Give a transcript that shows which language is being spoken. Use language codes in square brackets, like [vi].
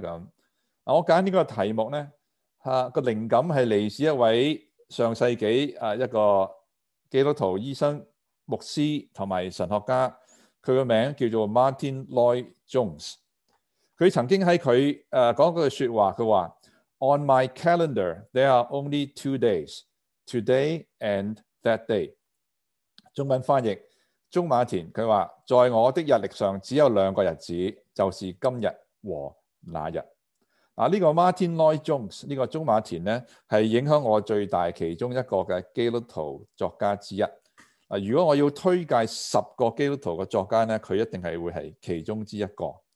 [yue] 咁嗱，我拣呢个题目咧，吓个灵感系嚟自一位上世纪一个基督徒医生、牧师同埋神学家，佢嘅名叫做 Martin Lloyd Jones。佢曾经喺佢讲嗰句说话，佢话。 [en] On my calendar, there are only 2 days, today and that day. [yue] 中文翻译，中马田佢话，在我的日历上只有两个日子，就是今日和那日。啊，呢个 Martin Lloyd Jones 呢个中马田咧，系影响我最大其中一个嘅基督徒作家之一。啊，如果我要推介十个基督徒嘅作家咧，佢一定系会系其中之一个。